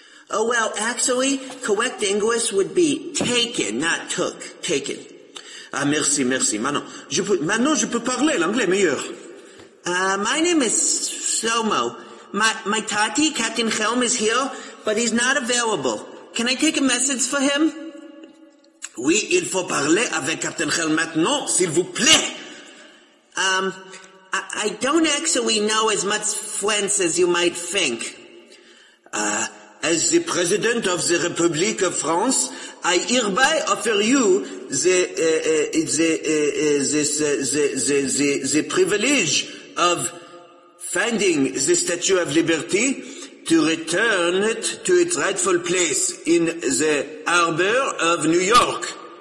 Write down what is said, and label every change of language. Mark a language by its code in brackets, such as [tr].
[en] Oh, well, actually, correct English would be taken, not took. Taken. [fr] Ah, merci, merci. Maintenant, je peux parler l'anglais meilleur. [en] My name is Shlomo. My tati, Captain Helm, is here, but he's not available. Can I take a message for him? [fr] Oui, il faut parler avec Captain Helm maintenant, s'il vous plaît. [en] I don't actually know as much French as you might think. As the President of the Republic of France, I hereby offer you the privilege of finding the Statue of Liberty to return it to its rightful place in the harbor of New York.